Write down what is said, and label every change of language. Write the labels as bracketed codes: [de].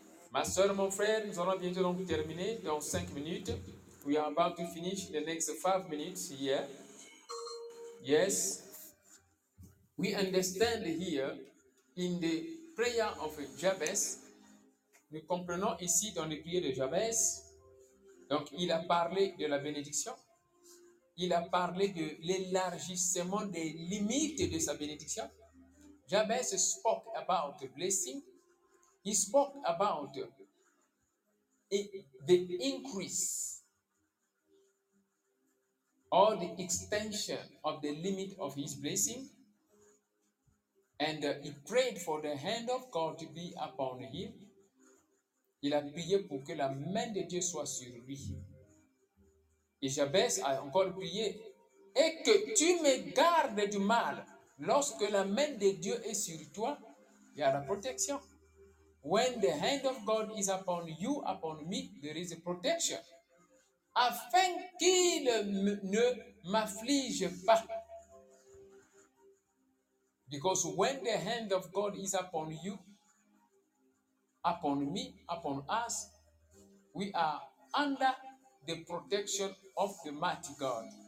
[fr] Ma soeur, mon frère, nous allons bientôt donc terminer dans 5 minutes. [en] We are about to finish the next 5 minutes here. Yes. We understand here in the prayer of Jabez. [fr] Nous comprenons ici dans les prières de Jabez. Donc, il a parlé de la bénédiction. Il a parlé de l'élargissement des limites de sa bénédiction. [en] Jabez spoke about blessing. He spoke about the increase or the extension of the limit of his blessing. And he prayed for the hand of God to be upon him. [fr] Il a prié pour que la main de Dieu soit sur lui. Et Jabez a encore prié, et que tu me gardes du mal. Lorsque la main de Dieu est sur toi, il y a la protection. [en] When the hand of God is upon you, upon me, there is a protection. [fr] Afin qu'il ne m'afflige pas. [en] Because when the hand of God is upon you, upon me, upon us, we are under the protection of the mighty God.